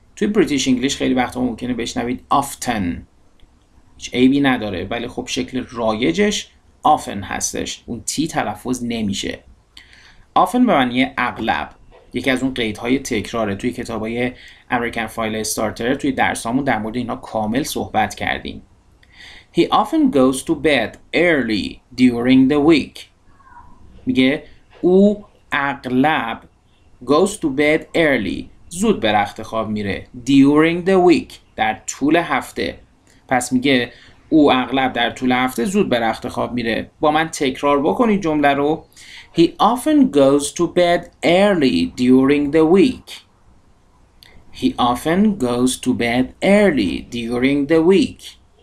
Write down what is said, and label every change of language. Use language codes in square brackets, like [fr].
[fa] توی بریتیش انگلیش خیلی وقتا ممکنه بشنوید often. هیچ عیبی نداره، ولی خب شکل رایجش often هستش. اون تی تلفظ نمیشه. Often به معنی اغلب. یکی از اون قیدهای تکراره. توی کتابای American File Starter توی درسامون در مورد اینا کامل صحبت کردیم. [en] He often goes to bed early during the week. [fa] میگه او اغلب [en] goes to bed early. [fa] زود به رخت خواب میره. [en] During the week. [fa] در طول هفته. پس میگه او اغلب در طول هفته زود به رخت خواب میره. با من تکرار بکنی جمله رو. [en] He often goes to bed early during the week. He often goes to bed early during the week.